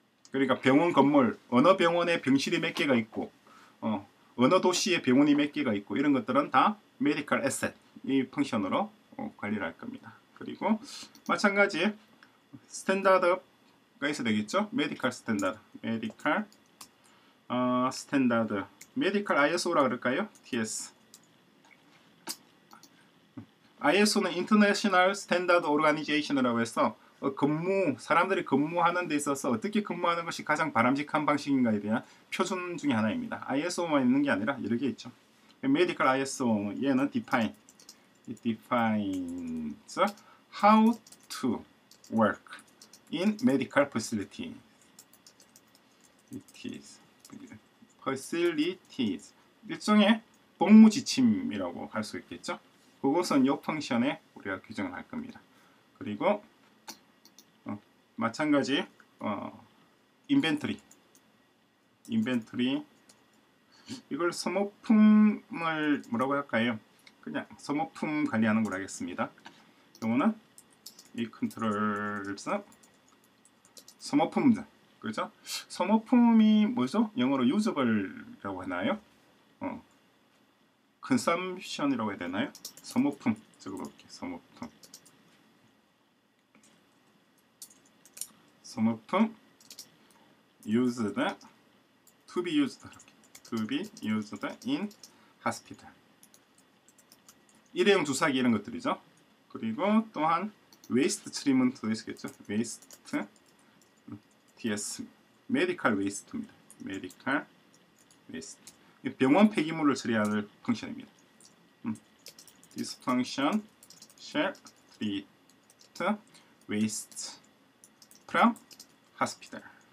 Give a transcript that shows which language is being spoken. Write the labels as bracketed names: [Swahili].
[Korean] 그러니까 병원 건물, 어느 병원에 병실이 몇 개가 있고 어느 도시에 병원이 몇 개가 있고 이런 것들은 다 메디컬 에셋 이 펑션으로 관리를 할 겁니다. 그리고 마찬가지 스탠다드가 있어야 되겠죠. 메디컬 스탠다드, 메디컬 스탠다드, 메디컬 ISO라 그럴까요? TS. ISO는 International Standard Organization이라고 해서 근무, 사람들이 근무하는 데 있어서 어떻게 근무하는 것이 가장 바람직한 방식인가에 대한 표준 중에 하나입니다. ISO만 있는 게 아니라 여러 개 있죠. [English] Medical ISO, [Korean] 얘는 [English] define. It defines how to work in medical facility. It is facilities. [Korean] 일종의 복무 지침이라고 할 수 있겠죠. 그것은 요 펑션에 우리가 규정을 할 겁니다. 그리고 마찬가지 인벤토리. 인벤토리 이걸 소모품을 뭐라고 할까요? 그냥 소모품 관리하는 걸 하겠습니다. 이거는 이 컨트롤에서 소모품들. 그렇죠? 소모품이 뭐죠? 영어로 유저블이라고 하나요? consumption이라고 해야 되나요? 소모품 적어볼게요. 소모품. [English] 소모품 used to be used to be used in hospital. [Korean] 일회용 주사기 이런 것들이죠. 그리고 또한 waste treatment도 있겠죠. [English] waste TS medical waste입니다. [Korean] medical waste 병원 폐기물을 처리하는 펑션입니다. [English] This function shall treat waste from hospital.